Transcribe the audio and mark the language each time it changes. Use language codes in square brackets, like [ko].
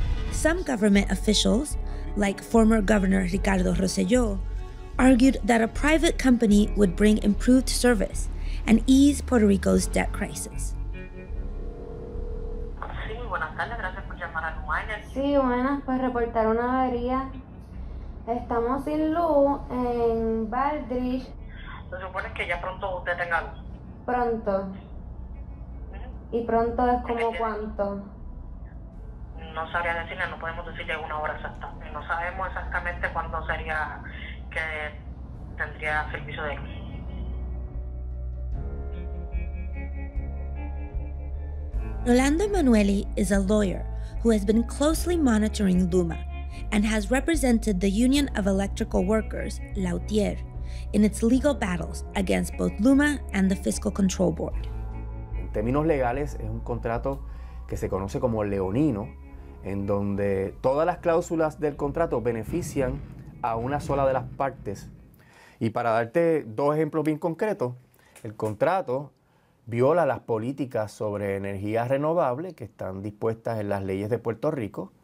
[en] Some government officials, like former Governor Ricardo Rosselló, argued that a private company would bring improved service and ease Puerto Rico's debt crisis. [es] Sí, buenas tardes, gracias por llamar a LUMA. Sí, buenas, pues reportar una avería. Estamos sin luz en Baldrige. Se supone que ya pronto usted tenga luz. Pronto. Mm-hmm. ¿Y pronto es como cuánto? No sabría decirle, no podemos decirle una hora exacta. No sabemos exactamente cuándo sería que tendría servicio de luz. [en] Rolando Emanuele is a lawyer who has been closely monitoring LUMA and has represented the Union of Electrical Workers, LAUTIER, in its legal battles against both LUMA and the Fiscal Control Board. [es] En términos legales, es un contrato que se conoce como leonino, en donde todas las cláusulas del contrato benefician a una sola de las partes. Y para darte dos ejemplos bien concretos, el contrato viola las políticas sobre energía renovable que están dispuestas en las leyes de Puerto Rico.